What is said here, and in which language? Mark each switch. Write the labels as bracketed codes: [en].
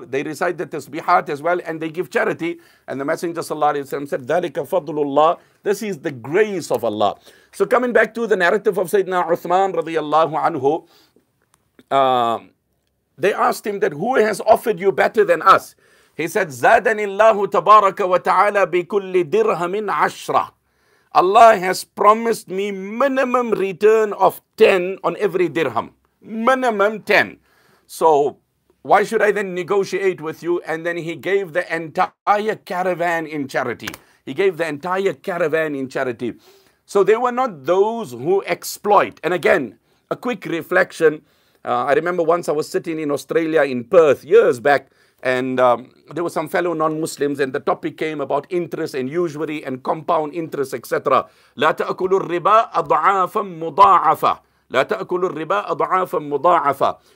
[en] They recite the tasbihat as well. And they give charity. And the Messenger ﷺ said, [ar] ذَلِكَ فَضْلُ اللَّهِ. [en] This is the grace of Allah. So coming back to the narrative of Sayyidina Uthman رضي الله عنه, they asked him that, who has offered you better than us? He said, [ar] زادني الله تبارك وتعالى بكل درهم عشرة. [en] Allah has promised me minimum return of 10 on every dirham. Minimum 10. So why should I then negotiate with you? And then he gave the entire caravan in charity. He gave the entire caravan in charity. So they were not those who exploit. And again, a quick reflection. I remember once I was sitting in Australia in Perth years back, and there were some fellow non-Muslims, and the topic came about interest and usury and compound interest, etc. [ar] لَا تَأْكُلُ الرِّبَا أَضْعَافًا مُضَاعَفًا لَا تَأْكُلُ الرِّبَا أَضْعَافًا مُضَاعَفًا.